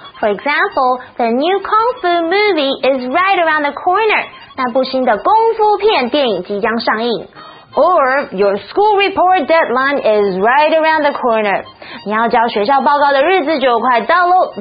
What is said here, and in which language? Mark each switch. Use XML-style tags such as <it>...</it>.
<en>For example, the new Kung Fu movie is right around the corner.</en> <zh>那部新的功夫片电影即将上映。</zh> <en>Or your school report deadline is right around the corner.</en> <zh>你要交学校报告的日子就快到咯。</zh>